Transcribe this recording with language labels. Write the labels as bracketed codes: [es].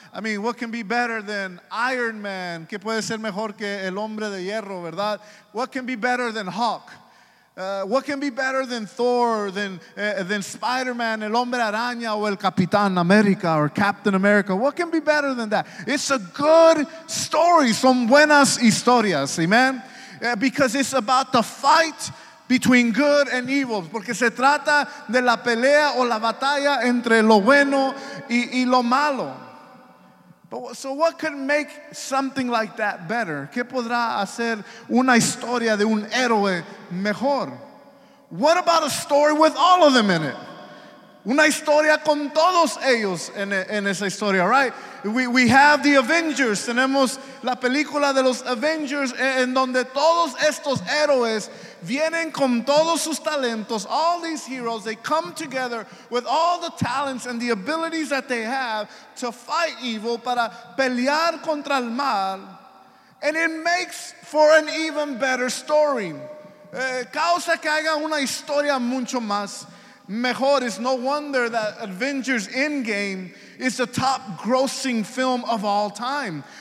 [en] I mean, what can be better than Iron Man? [es] ¿Qué puede ser mejor que el hombre de hierro, verdad? [en] What can be better than Hulk? What can be better than Thor, than Spider-Man, [es] el hombre araña, o el Capitán América, [en] or Captain America? What can be better than that? It's a good story. [es] Son buenas historias, amen? [en] Because it's about the fight between good and evil. [es] Porque se trata de la pelea o la batalla entre lo bueno y lo malo. [en] But, so what could make something like that better? [es] ¿Qué podrá hacer una historia de un héroe mejor? [en] What about a story with all of them in it? [es] Una historia con todos ellos en esa historia, right? [en] We have the Avengers. [es] Tenemos la película de los Avengers en donde todos estos héroes vienen con todos sus talentos. [en] All these heroes, they come together with all the talents and the abilities that they have to fight evil, para pelear contra el mal. And it makes for an even better story. [es] Causa que haga una historia mucho más mejor. [en] It's no wonder that Avengers Endgame is the top grossing film of all time.